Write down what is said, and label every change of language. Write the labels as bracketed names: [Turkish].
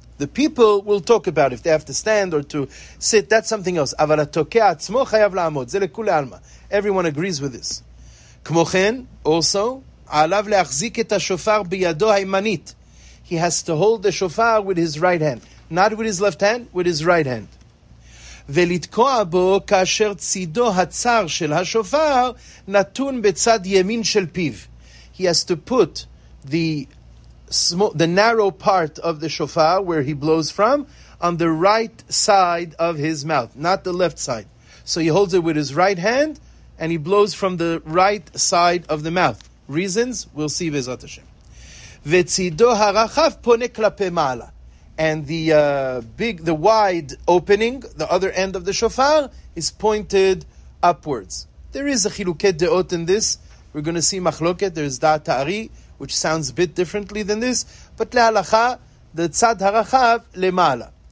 [English] The people will talk about if they have to stand or to sit. That's something else. [Hebrew] Aval ha'tokea atzmo chayav la'amod. Ze lekule alma. [English] Everyone agrees with this. [Hebrew] K'mochen, also, alav le'achzik et ha'shofar b'yado ha'imanit. [English] He has to hold the shofar with his right hand. Not with his left hand, with his right hand. [Hebrew] ולתקוע בו כאשר צידו הצר של השופר נתון בצד ימין של פיו. [English] He has to put the narrow part of the shofar where he blows from on the right side of his mouth, not the left side. So he holds it with his right hand and he blows from the right side of the mouth. Reasons, we'll see [Hebrew] בעזרת השם. וצידו הרחב פונה כלפי מעלה. [English] And the wide opening, the other end of the shofar, is pointed upwards. There is a [Hebrew] chiluket deot [English] in this. We're going to see machloket. There is da ta'ari, which sounds a bit differently than this. But lehalacha, the [Hebrew] tzad harachav lemala.